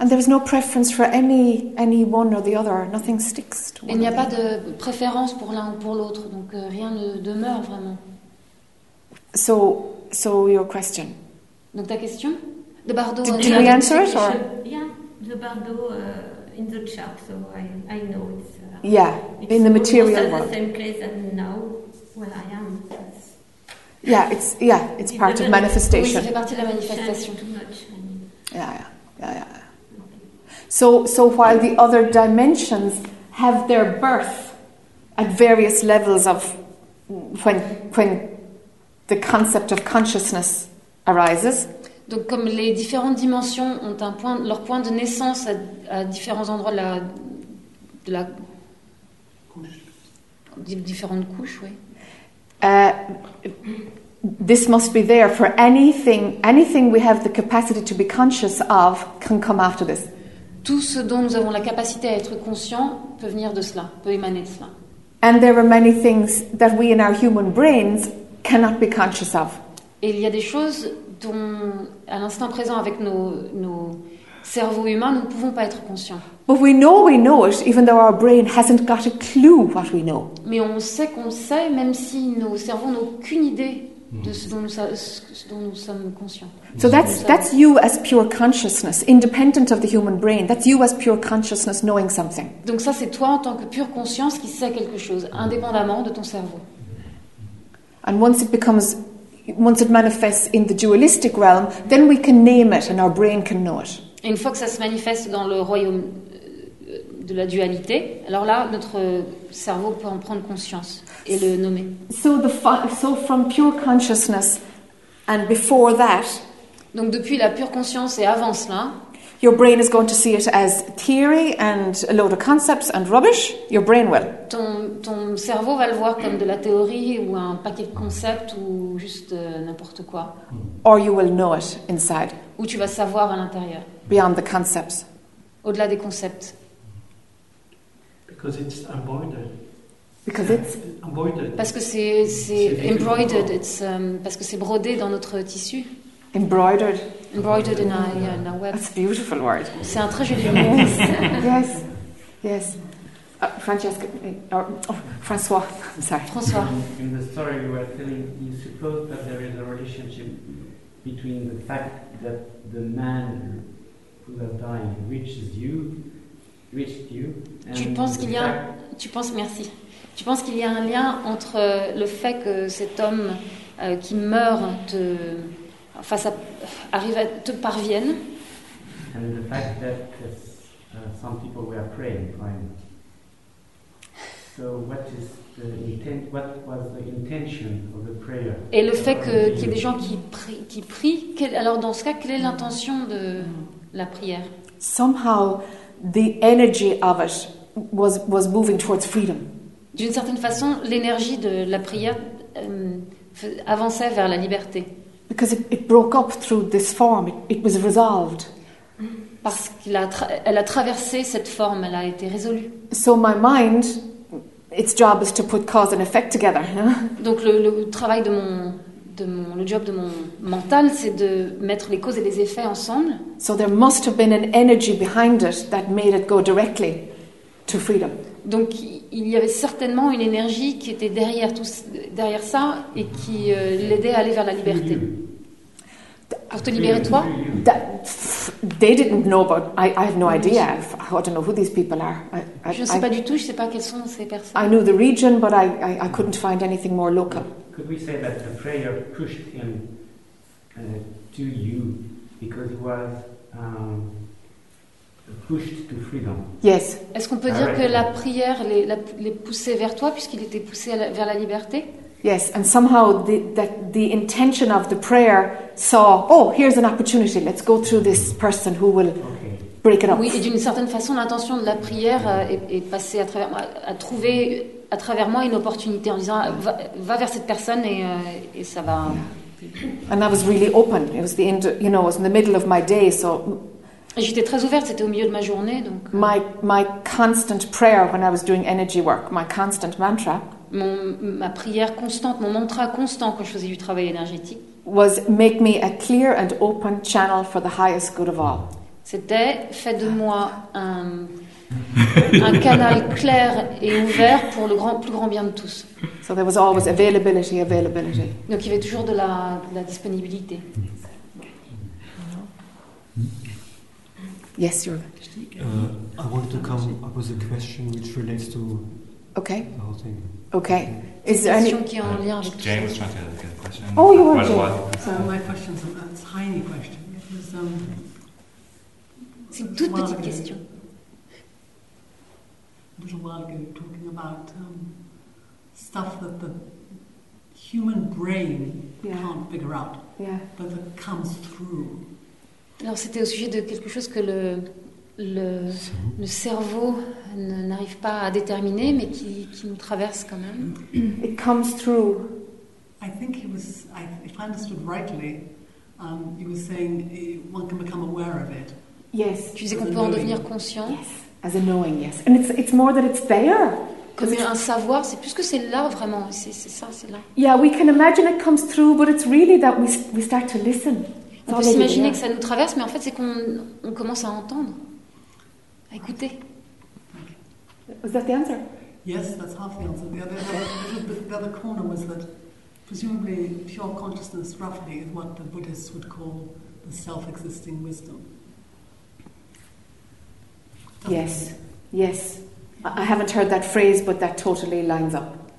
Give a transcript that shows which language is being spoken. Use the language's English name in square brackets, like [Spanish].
[English] And there is no preference for any one or the other. Nothing sticks to one. [French] Il n'y a pas de préférence pour l'un ou pour l'autre, donc rien ne demeure vraiment. [English] So your question. [French] Donc ta question? De Bardo. [English] Did we answer it? Or? Yeah, de Bardo. In the chart, so I know it's... Yeah, it's in the material world. It's the same place as now, where I am. That's it's part of manifestation. [French] Oui, c'est partie de la manifestation. [English] Too much, Yeah. So while the other dimensions have their birth at various levels of when the concept of consciousness arises... [French] Donc comme les différentes dimensions ont leur point de naissance à différents endroits de la couche. Différentes couches, oui. [English] this must be there for anything. Anything we have the capacity to be conscious of can come after this. [French] Tout ce dont nous avons la capacité à être conscient peut venir de cela, peut émaner de cela. [English] And there are many things that we in our human brains cannot be conscious of. [French] Et il y a des choses dont, à l'instant présent, avec nos cerveaux humains, nous ne pouvons pas être conscients. [English] But we know it, even though our brain hasn't got a clue what we know. [French] Mais on sait qu'on sait, même si nos cerveaux n'ont aucune idée de ce dont nous sommes conscients. [English] So that's you as pure consciousness, independent of the human brain. That's you as pure consciousness knowing something. [French] Donc ça, c'est toi en tant que pure conscience qui sait quelque chose, indépendamment de ton cerveau. [English] And once it becomes, once it manifests in the dualistic realm, then we can name it and our brain can know it. [French] Et une fois que ça se manifeste dans le royaume de la dualité, alors là, notre cerveau peut en prendre conscience et le nommer. [English] So from pure consciousness and before that, [French] donc depuis la pure conscience et avant cela, [English] your brain is going to see it as theory and a load of concepts and rubbish. Your brain will. [French] Ton cerveau va le voir comme de la théorie ou un paquet de concepts ou juste n'importe quoi. [English] Or you will know it inside. [French] Ou tu vas savoir à l'intérieur. [English] Beyond the concepts. [French] Au-delà des concepts. [English] Because it's embroidered. Because it's embroidered. [French] Parce que c'est embroidered. It's parce que c'est brodé dans notre tissu. [English] Embroidered in a, yeah, in a web. That's a beautiful word. [French] C'est un très joli mot. [English] Yes, yes, yes. Francesca, or François, I'm sorry. François. In the story you were telling, you suppose that there is a relationship between the fact that the man who has died reached you, and [French] tu penses qu'il y a, tu penses, merci. Tu penses qu'il y a un lien entre le fait que cet homme qui meurt te... Enfin, ça arrive à te parvienne. [English] And the fact that some people were praying for him. So what is the intent? What was the intention of the prayer? [French] Et le fait qu'il y ait des gens qui prient. Alors dans ce cas, quelle est l'intention de la prière? [English] Somehow, the energy of it was moving towards freedom. [French] D'une certaine façon, l'énergie de la prière avançait vers la liberté. [English] Because it broke up through this form, it was resolved. [French] Parce qu'elle a traversé cette forme, elle a été résolue. [English] So my mind, its job is to put cause and effect together. [French] Donc le travail de mon mental, c'est de mettre les causes et les effets ensemble. [English] So there must have been an energy behind it that made it go directly to freedom. [French] Donc il y avait certainement une énergie qui était derrière ça et qui l'aidait à aller vers la liberté. Pour te libérer toi? [English] They didn't know about. I have no idea. I don't know who these people are. [French] Je ne sais pas du tout. Je ne sais pas quelles sont ces personnes. [English] I knew the region, but I couldn't find anything more local. Could we say that the prayer pushed him to you because he was pushed to freedom. Yes. [French] Est-ce qu'on peut dire que la prière les poussait vers toi puisqu'il était poussé vers la liberté? [English] Yes, and somehow the intention of the prayer saw, oh, here's an opportunity, let's go through this person who will break it up. [French] Oui, et d'une certaine façon, l'intention de la prière est passée à travers moi, a trouvé à travers moi une opportunité en disant, va vers cette personne et ça va. [English] And I was really open. It was the end, you know, it was in the middle of my day, so. [French] J'étais très ouverte, c'était au milieu de ma journée, donc. [English] My constant prayer when I was doing energy work, my constant mantra. [French] Ma prière constante, mon mantra constant quand je faisais du travail énergétique. [English] Was make me a clear and open channel for the highest good of all. [French] C'était fait de moi un canal clair et ouvert pour le plus grand bien de tous. [English] So there was always availability. [French] Donc il y avait toujours de la disponibilité. [English] Yes, you're. I wanted to come up with a question which relates to the whole thing. Okay. Is there any James was trying to get a question? Oh, you are. So my question is a tiny question. It was [French] c'est une toute petite ago, question. [English] A little while ago, talking about stuff that the human brain can't figure out, but that comes through. [French] Alors c'était au sujet de quelque chose que le cerveau n'arrive pas à déterminer, mais qui nous traverse quand même. [English] It comes through. I think he was, if I understood rightly, he was saying one can become aware of it. Yes. [French] Tu disais qu'on peut en devenir conscient. [English] Yes. As a knowing, yes. And it's more that it's there. [French] Comme un savoir, c'est plus que c'est là vraiment. C'est ça, c'est là. [English] Yeah, we can imagine it comes through, but it's really that we start to listen. [French] On peut s'imaginer que ça nous traverse, mais en fait, c'est qu'on commence à entendre, à écouter. [English] Was that the answer? Yes, that's half the answer. The other corner was that presumably pure consciousness, roughly, is what the Buddhists would call the self-existing wisdom. Doesn't yes, it? Yes. I haven't heard that phrase, but that totally lines up.